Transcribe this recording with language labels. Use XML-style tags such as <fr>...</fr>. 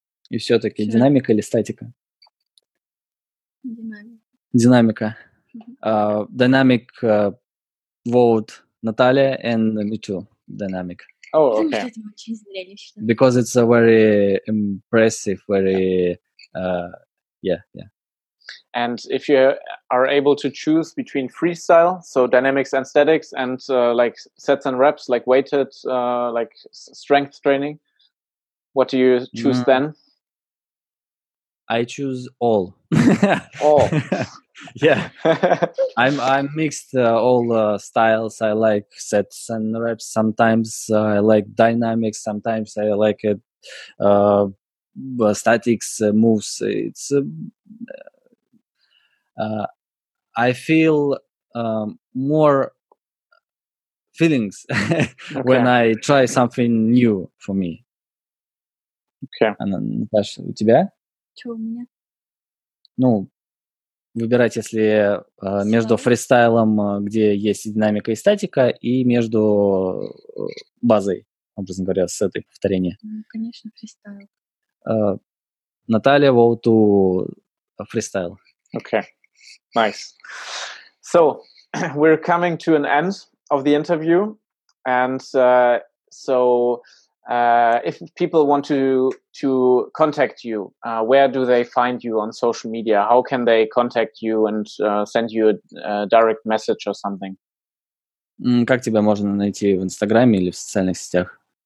<ru>И все-таки динамика или статика? Динамика.</ru> <en>Динамик vote Наталья and me too. Dynamic. Oh, okay. Because it's a very impressive, very And if you are able to choose between freestyle, so dynamics and statics, and like sets and reps, like weighted, like strength training, what do you choose then? I choose all. All. Yeah. I'm mixed all styles. I like sets and reps. Sometimes I like dynamics, sometimes I like it statics moves. It's I feel more feelings okay. When I try something new for me. Okay.</en> <ru>And Наташа, у тебя? Что у меня? Ну, выбирать, если между фристайлом, где есть и динамика, и статика, и между базой, образно говоря, с этой повторения. Ну, конечно, фристайл.</ru> <en>Наталья, vote to фристайл. Okay, nice. So, we're coming to an end of the interview. And if people want to contact you, where do they find you on social media? How can they contact you and send you a direct message or something?</en> <ru>Как тебя можно найти в Инстаграме или в социальных сетях?</ru>